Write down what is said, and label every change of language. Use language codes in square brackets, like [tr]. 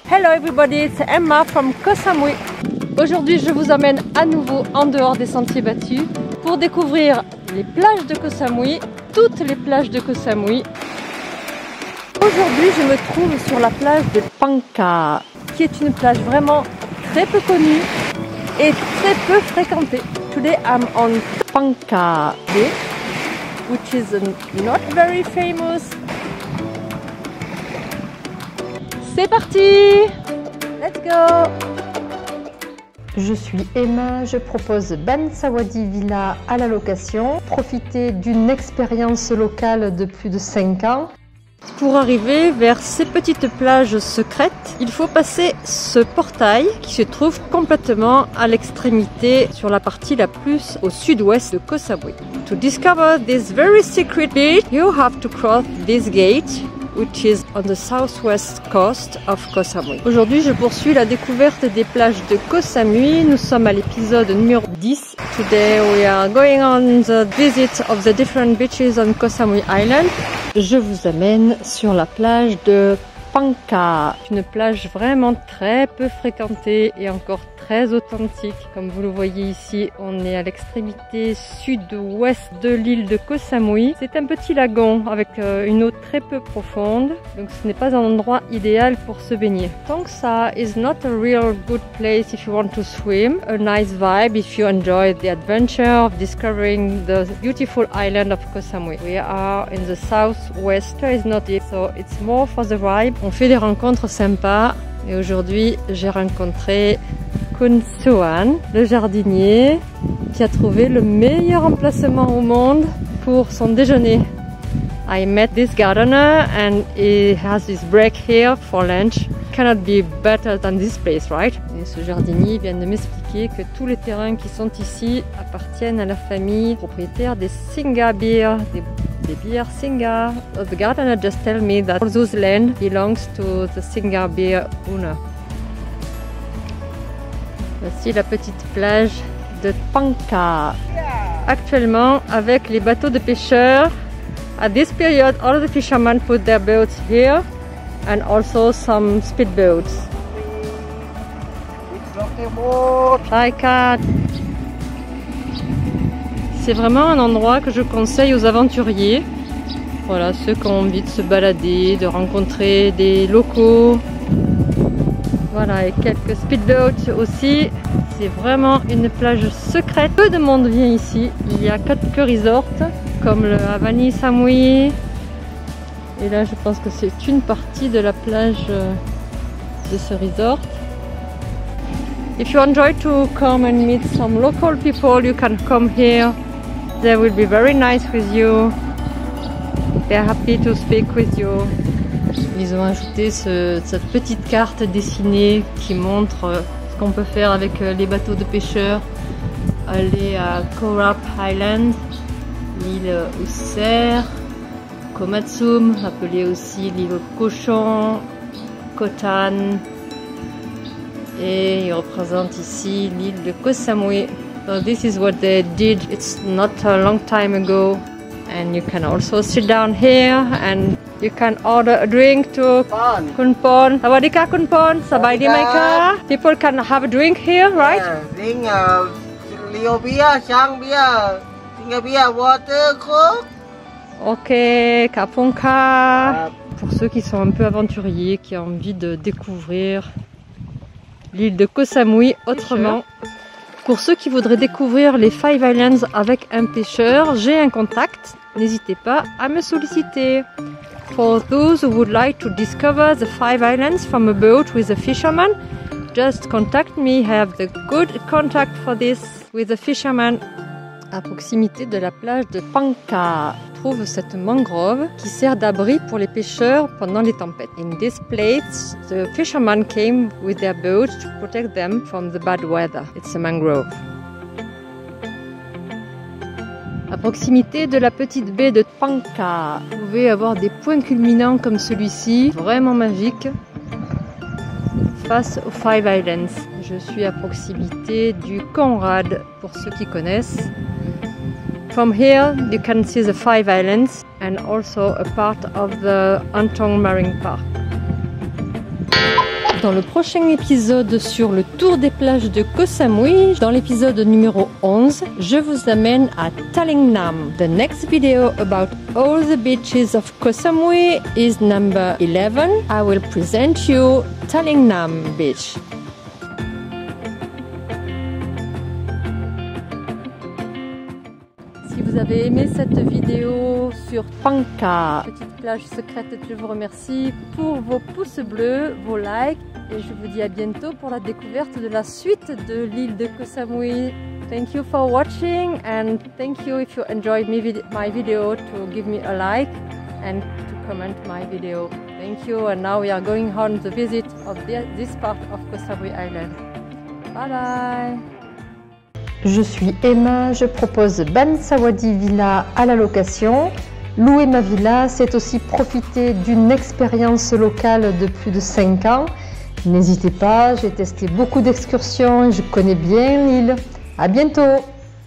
[en] Hello everybody, [fr] c'est Emma from Koh Samui. Aujourd'hui, je vous emmène à nouveau en dehors des sentiers battus pour découvrir les plages de Koh Samui, toutes les plages de Koh Samui. Aujourd'hui, je me trouve sur la plage de Phangka, qui est une plage vraiment très peu connue et très peu fréquentée. [en] Today I'm on Phangka Bay, which is not very famous. [fr] C'est parti! [en] Let's go! [fr] Je suis Emma, je propose Ben Sawadi Villa à la location. Profitez d'une expérience locale de plus de 5 ans. Pour arriver vers ces petites plages secrètes, il faut passer ce portail qui se trouve complètement à l'extrémité sur la partie la plus au sud-ouest de Koh Samui. [en] To discover this very secret beach, you have to cross this gate, which is on the southwest coast of Koh Samui. [fr] Aujourd'hui, je poursuis la découverte des plages de Koh Samui. Nous sommes à l'épisode numéro 10. [en] Today we are going on the visit of the different beaches on Koh Samui Island. [fr] Je vous amène sur la plage de Phangka, une plage vraiment très peu fréquentée et encore très authentique. Comme vous le voyez ici, on est à l'extrémité sud-ouest de l'île de Koh Samui. C'est un petit lagon avec une eau très peu profonde, donc ce n'est pas un endroit idéal pour se baigner. [en] Phangka is not a real good place if you want to swim. A nice vibe if you enjoy the adventure of discovering the beautiful island of Koh Samui. We are in the southwest, there is not deep, so it's more for the vibe. [fr] On fait des rencontres sympas et aujourd'hui j'ai rencontré Soan, le jardinier qui a trouvé le meilleur emplacement au monde pour son déjeuner. [en] I met this gardener and he has his break here for lunch. Cannot be better than this place, right? [fr] Et ce jardinier vient de m'expliquer que tous les terrains qui sont ici appartiennent à la famille propriétaire des Singa Beer, des bières Singa. [en] The gardener just tell me that all those land belongs to the Singa Beer owner. [fr] Voici la petite plage de Phangka. Actuellement, avec les bateaux de pêcheurs, [en] at this period, all the fishermen put their boats here, and also some speedboats. [fr] C'est vraiment un endroit que je conseille aux aventuriers. Voilà, ceux qui ont envie de se balader, de rencontrer des locaux. Voilà, et quelques speedboats aussi. C'est vraiment une plage secrète. Peu de monde vient ici. Il y a quelques resorts comme le Havani Samui. Et là, je pense que c'est une partie de la plage de ce resort. [en] If you enjoy to come and meet some local people, you can come here. They will be very nice with you. They're happy to speak with you. [fr] Ils ont ajouté cette petite carte dessinée qui montre ce qu'on peut faire avec les bateaux de pêcheurs. Aller à Korap Island, l'île au cerf, Komatsum, appelée aussi l'île au cochon, Kotan. Et ils représentent ici l'île de Koh Samui. [en] So this is what they did, it's not a long time ago. And you can also sit down here and you can order a drink to Kunpon. [th] Sawadika Kunpon, Sabaidi Maika. [en] People can have a drink here, right? Drink Leo beer, Shang beer, Singa beer, water, coke. Okay, Kapunka. [fr] Pour ceux qui sont un peu aventuriers, qui ont envie de découvrir l'île de Koh Samui autrement. Pour ceux qui voudraient découvrir les Five Islands avec un pêcheur, j'ai un contact. N'hésitez pas à me solliciter. [en] For those who would like to discover the Five Islands from a boat with a fisherman, just contact me. I have the good contact for this with a fisherman. [fr] À proximité de la plage de Phangka, trouve cette mangrove qui sert d'abri pour les pêcheurs pendant les tempêtes. [en] In this place, the fishermen came with their boat to protect them from the bad weather. It's a mangrove. [fr] À proximité de la petite baie de Phangka, vous pouvez avoir des points culminants comme celui-ci, vraiment magique. face aux Five Islands. Je suis à proximité du Conrad, pour ceux qui connaissent. [en] From here, you can see the Five Islands and also a part of the Antong Marine Park. [fr] Dans le prochain épisode sur le tour des plages de Koh Samui, dans l'épisode numéro 11, je vous amène à Taling Nam. [en] The next video about all the beaches of Koh Samui is number 11. I will present you Taling Nam Beach. [fr] Si vous avez aimé cette vidéo sur Phangka, petite plage secrète, je vous remercie pour vos pouces bleus, vos likes. Et je vous dis à bientôt pour la découverte de la suite de l'île de Koh Samui. [en] Thank you for watching and thank you if you enjoyed my video to give me a like and to comment my video. Thank you and now we are going on the visit of this part of Koh Samui Island. Bye bye! [fr] Je suis Emma, je propose Ban Sawadi Villa à la location. Louer ma villa, c'est aussi profiter d'une expérience locale de plus de 5 ans. N'hésitez pas, j'ai testé beaucoup d'excursions, je connais bien l'île. À bientôt !